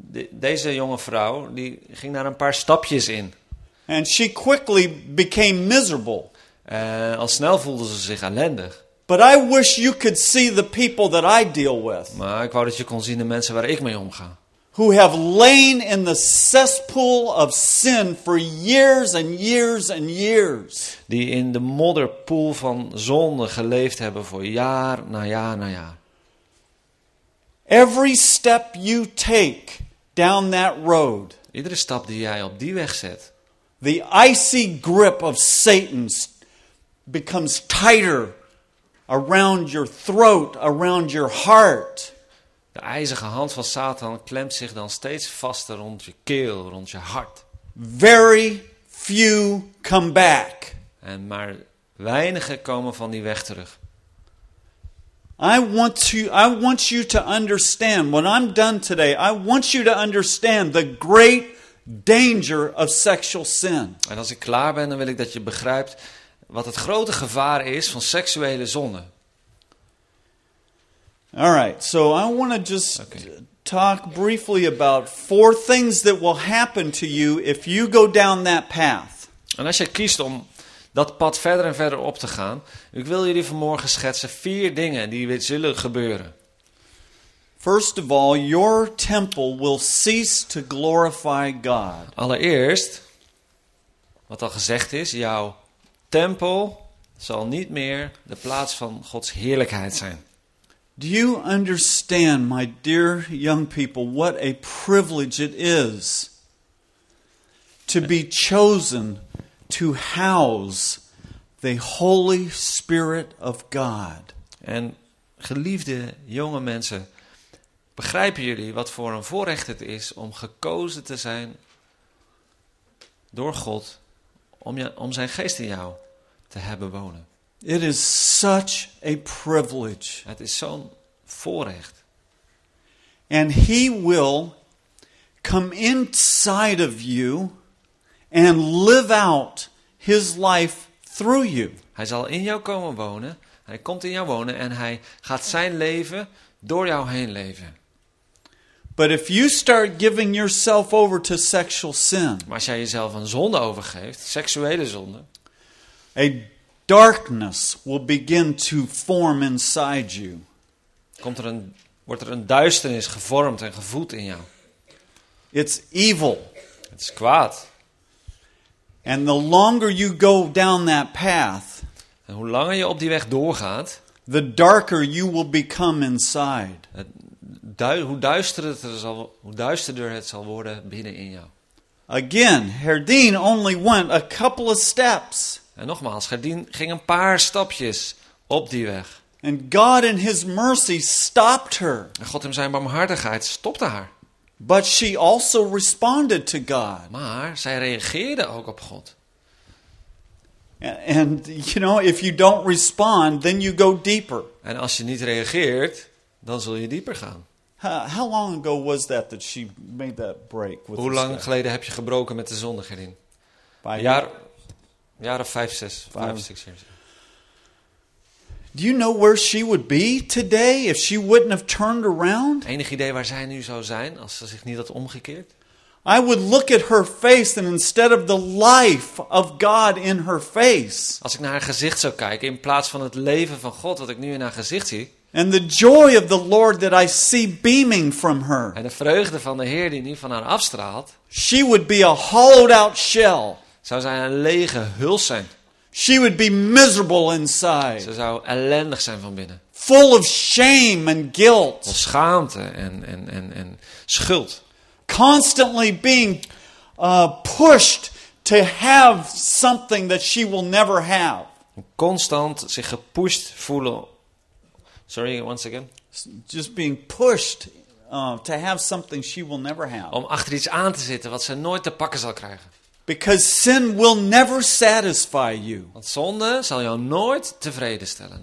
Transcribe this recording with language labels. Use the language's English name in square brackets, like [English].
[Dutch] Deze jonge vrouw die ging daar een paar stapjes in. [English] And she quickly became miserable. [Dutch] Al snel voelde ze zich ellendig. [English] But I wish you could see the people that I deal with. [Dutch] Maar ik wou dat je kon zien de mensen waar ik mee omga. [English] Who have lain in the cesspool of sin for years and years and years. [Dutch] Die in de modderpoel van zonde geleefd hebben voor jaar na jaar na jaar. [English] Every step you take down that road. [Dutch] Iedere stap die jij op die weg zet. [English] The icy grip of Satan becomes tighter around your throat, around your heart. [Dutch] De ijzige hand van Satan klemt zich dan steeds vaster rond je keel, rond je hart. [English] Very few come back. [Dutch] En maar weinigen komen van die weg terug. [English] I want you to understand when I'm done today. I want you to understand the great danger of sexual sin. [Dutch] En als ik klaar ben, dan wil ik dat je begrijpt wat het grote gevaar is van seksuele zonde. [English] All right, so I want to just talk briefly about 4 things that will happen to you if you go down that path. [Dutch] En als je kiest om dat pad verder en verder op te gaan, ik wil jullie vanmorgen schetsen 4 dingen die zullen gebeuren. [English] First of all, your temple will cease to glorify God. [Dutch] Allereerst, wat al gezegd is, jouw tempel zal niet meer de plaats van Gods heerlijkheid zijn. [English] Do you understand, my dear young people, what a privilege it is to be chosen to house the Holy Spirit of God? [Dutch] En geliefde jonge mensen, begrijpen jullie wat voor een voorrecht het is om gekozen te zijn door God om zijn geest in jou te hebben wonen? [English] It is such a privilege. [Dutch] Het is zo'n voorrecht. [English] And he will come inside of you and live out his life through you. [Dutch] Hij zal in jou komen wonen. Hij komt in jou wonen en hij gaat zijn leven door jou heen leven. [English] But if you start giving yourself over to sexual sin. [Dutch] Maar als jij jezelf aan zonde overgeeft, seksuele zonde, [English] a darkness will begin to form inside you. [Dutch] Wordt er een duisternis gevormd en gevoed in jou. [English] It's evil. [Dutch] Het is kwaad. [English] And the longer you go down that path, [Dutch] en hoe langer je op die weg doorgaat, [English] the darker you will become inside. [Dutch] Hoe duisterder het zal worden binnen in jou. [English] Again, Herdien only went a couple of steps. [Dutch] En nogmaals, Gerdien ging een paar stapjes op die weg. [English] And God in his mercy stopped her. [Dutch] En God in zijn barmhartigheid stopte haar. [English] But she also responded to God. [Dutch] Maar zij reageerde ook op God. [English] And you know, if you don't respond, then you go deeper. [Dutch] En als je niet reageert, dan zul je dieper gaan. [English] How long ago was that that she made that break with? [Dutch] Hoe lang geleden heb je gebroken met de zonde, Gerdien? Jaar of 5, 6 jaar. [English] Do you know where she would be today if she wouldn't have turned around? [Dutch] Enig idee waar zij nu zou zijn als ze zich niet had omgekeerd? [English] I would look at her face and instead of the life of God in her face. [Dutch] Als ik naar haar gezicht zou kijken in plaats van het leven van God wat ik nu in haar gezicht zie. [English] And the joy of the Lord that I see beaming from her. [Dutch] En de vreugde van de Heer die nu van haar afstraalt. [English] She would be a hollowed out shell. [Dutch] Zou zij een lege huls zijn. [English] She would be miserable inside. [Dutch] Ze zou ellendig zijn van binnen. [English] Full of shame and guilt. [Dutch] Vol schaamte en schuld. [English] Constantly being pushed to have something that she will never have. [Dutch] Constant zich gepusht voelen. [English] Sorry, once again. Just being pushed to have something she will never have. [Dutch] Om achter iets aan te zitten wat ze nooit te pakken zal krijgen. [English] Because sin will never satisfy you. [Dutch] Want zonde zal jou nooit tevreden stellen.